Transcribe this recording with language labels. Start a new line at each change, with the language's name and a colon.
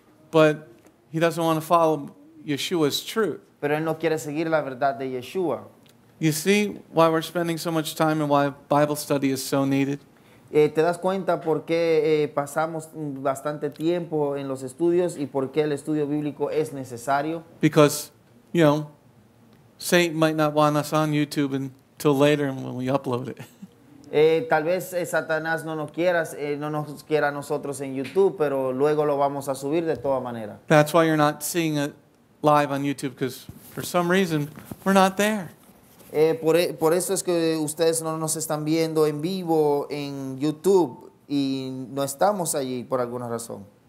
English: But he doesn't want to follow Yeshua's truth.
Spanish: Pero él no quiere seguir la verdad de Yeshua.
English: You see why we're spending so much time and why Bible study is so needed?
Spanish: ¿Te das cuenta por qué pasamos bastante tiempo en los estudios y por qué el estudio bíblico es necesario?
English: Because, you know, Satan might not want us on YouTube until later when we upload it.
Spanish: Tal vez Satanás no nos quiera a nosotros en YouTube, pero luego lo vamos a subir de toda manera.
English: That's why you're not seeing it live on YouTube, because for some reason we're not there.
Spanish: Por eso es que ustedes no nos están viendo en vivo en YouTube y no estamos allí por alguna razón.